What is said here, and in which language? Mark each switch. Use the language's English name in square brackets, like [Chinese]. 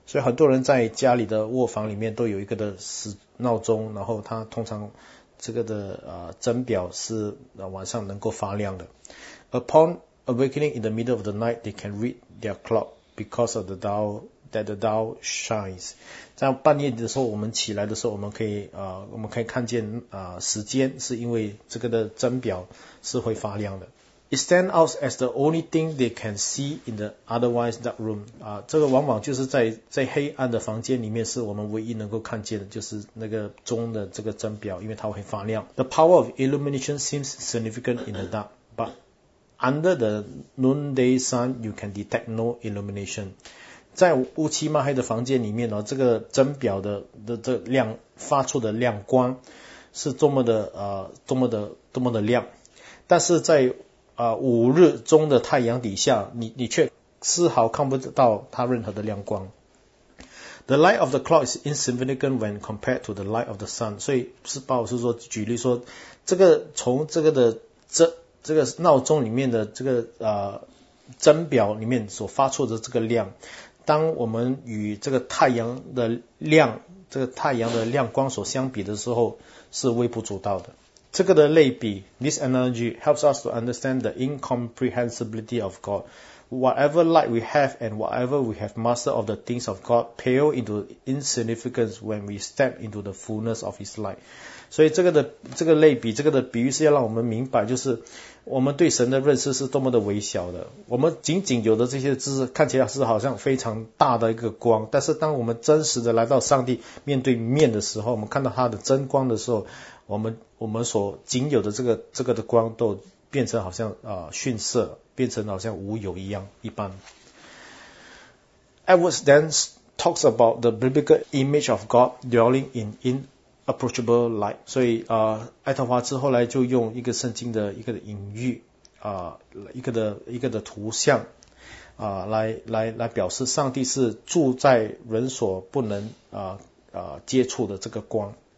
[Chinese] 所以很多人在家里的卧房里面都有一个的闹钟，然后它通常这个的针表是晚上能够发亮的。 [English] Upon awakening in the middle of the night, they can read their clock because of the dial that the dial shines. [Chinese] 在半夜的时候，我们起来的时候，我们可以看见时间，是因为这个的针表是会发亮的。 [English] It stands out as the only thing they can see in the otherwise dark room. [Chinese] 这个往往就是在黑暗的房间里面是我们唯一能够看见的，就是那个钟的这个针表，因为它会发亮。 [English] The power of illumination seems significant in the dark, but under the noonday sun, you can detect no illumination. [Chinese] 在乌漆嘛黑的房间里面呢，这个针表的亮发出的亮光是多么的亮，但是在五日中的太阳底下，你却丝毫看不到它任何的亮光。 [English] The light of the clock is insignificant when compared to the light of the sun. [Chinese] 所以是鲍老师说，举例说，这个从这个的这个闹钟里面的这个针表里面所发出的这个亮，当我们与这个太阳的亮，这个太阳的亮光所相比的时候，是微不足道的。这个的类比 [English] ，this analogy helps us to understand the incomprehensibility of God. Whatever light we have and whatever we have mastered of the things of God pale into insignificance when we step into the fullness of His light. [Chinese] 所以这个类比，这个的比喻是要让我们明白，就是我们对神的认识是多么的微小的。我们仅仅有的这些知识看起来是好像非常大的一个光，但是当我们真实的来到上帝面对面的时候，我们看到他的真光的时候，我们所仅有的这个的光都变成好像逊色，变成好像无有一样一般。 [English] Edwards then talks about the biblical image of God dwelling in inapproachable light. [Chinese] 所以爱德华兹后来就用一个圣经的一个的隐喻一个的图像来表示上帝是住在人所不能接触的这个光。